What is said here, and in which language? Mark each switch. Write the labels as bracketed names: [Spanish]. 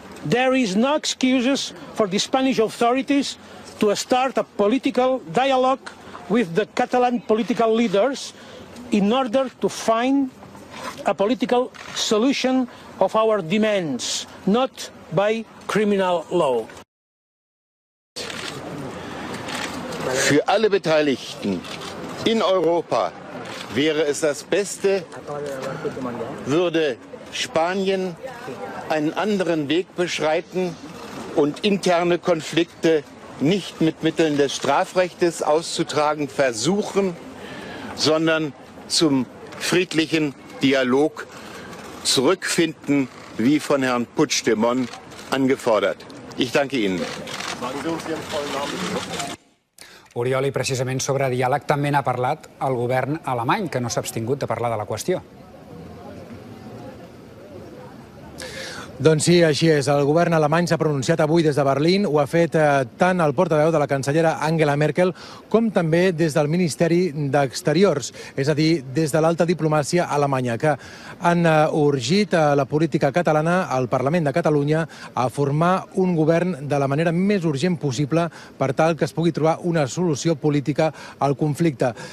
[English] There is no excuses for the Spanish authorities to start a political dialogue with the Catalan political leaders in order to find a political solution of our demands, not by criminal law. [German] Für alle Beteiligten in Europa wäre es das Beste, würde Spanien einen anderen Weg beschreiten und interne Konflikte nicht mit Mitteln des Strafrechts auszutragen versuchen, sondern zum friedlichen Dialog zurückfinden, wie von Herrn Puigdemont angefordert. Ich danke Ihnen. [Catalan] Oriol, i precisament sobre diàleg, també n'ha parlat el govern alemany, que no s'ha abstingut de parlar de la qüestió. Doncs sí, així és. El govern alemany s'ha pronunciat avui des de Berlín. Ho ha fet tant el portaveu de la cancellera Angela Merkel com també des del Ministeri d'Exteriors, és a dir, des de l'alta diplomàcia alemanya, que han urgit a la política catalana, al Parlament de Catalunya, a formar un govern de la manera més urgent possible per tal que es pugui trobar una solució política al conflicte.